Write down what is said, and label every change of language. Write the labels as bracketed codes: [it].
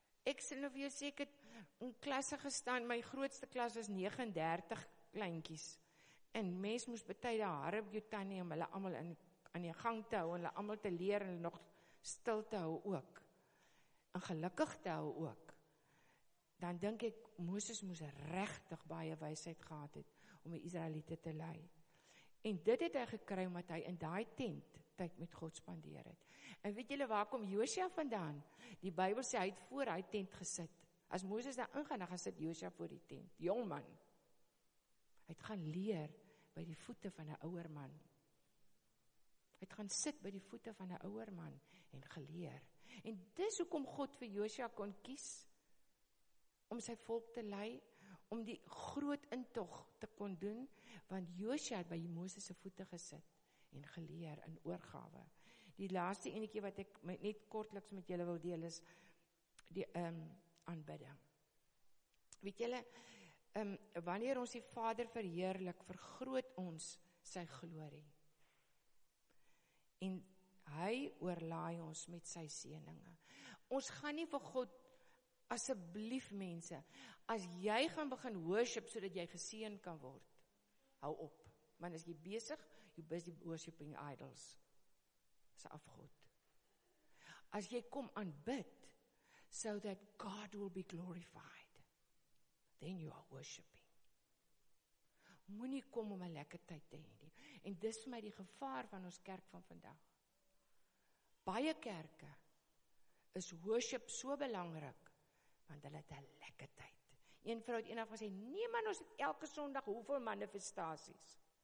[af] Ek sê nou vir jou, sê ek het in klasse gestaan, my grootste klas was 39 kleintjies, en mens moes betyde haar op jou tannie, om hulle allemaal aan die gang te hou, en hulle allemaal te leer, en nog stil te hou ook, en gelukkig te hou ook. Dan dink ek, Moses moes regtig baie wysheid gehad het, om die Israeliete te lei. En dit het hy gekry, omdat hy in die tent, tyd met God spandeer het. En weet julle waar kom Josia vandaan? Die Bybel sê, hy het voor hy tent gesit. As Moses daar ingaan, dan gaan sit Josia voor die tent. Jongman. Hy het gaan leer by die voete van 'n ouer man. Hy het gaan sit by die voete van 'n ouer man en geleer. En dis hoekom God vir Josia kon kies om sy volk te lei, om die groot intog te kon doen, want Josia het by Moses se voete gesit en geleer in oorgawe. Die laaste enetjie wat ek net kortliks met julle wil deel is die aanbidding. Weet julle, wanneer ons die Vader verheerlik, vergroot ons sy glorie. En hy oorlaai ons met sy seëninge. Ons gaan nie vir God, asseblief mense, as jy gaan begin worship sodat jy geseën kan word, hou op. Want as jy besig, [en] you busy worshiping idols. [af] Is afgod. As jy kom aanbid, [en] so that God will be glorified, then you are worshiping. [af] Moenie kom om 'n lekker tyd te hê nie. En dis vir my die gevaar van ons kerk van vandag. Baie kerke is worship so belangrik, want hulle het 'n lekker tyd. Een vrou het eendag gesê, nee man, ons het elke Sondag hoeveel manifestasies.